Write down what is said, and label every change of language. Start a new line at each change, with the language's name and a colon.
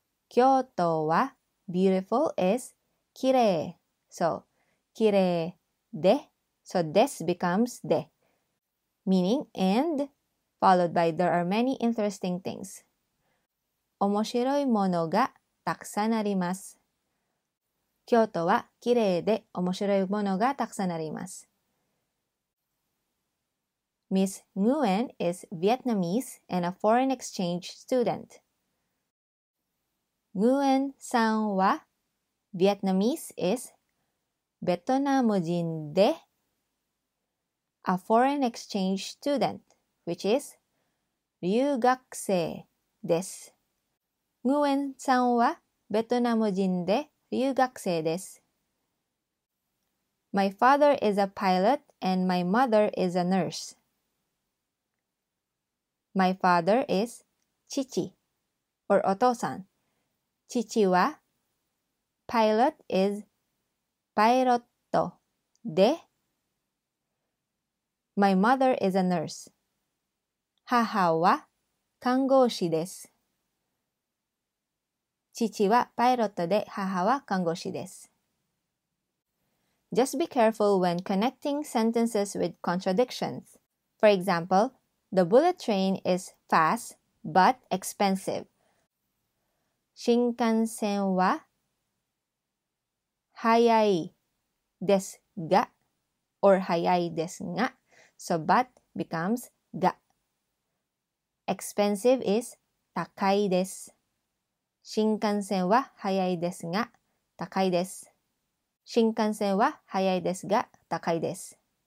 English: Kyoto wa beautiful is.
Japanese: きれい。
English: So,
Japanese: きれいで。
English: So, this becomes で。 Meaning, and, followed by there are many interesting things.
Japanese: 面白いものがたくさんあります。京都はきれいで面白いものがたくさんあります。
English: Miss Nguyen is Vietnamese and a foreign exchange student. Nguyen さんはVietnamese is
Japanese: ベトナム人で
English: a foreign exchange student, which is
Japanese: 留学生です。ムウェンさんはベトナム人で留学生です。
English: My father is a pilot and my mother is a nurse. My father is 父 or お父さん。
Japanese: 父は
English: pilot is
Japanese: パイロットで
English: My mother is a nurse.
Japanese: 母は看護師です。父はパイロットで母は看護師です。
English: Just be careful when connecting sentences with contradictions. For example, the bullet train is fast but expensive.
Japanese: 新幹線は早いですが or 早いですが
English: So but becomes が Expensive is
Japanese: 高いです新幹線は早いですが高いです新幹線は早いですが高いです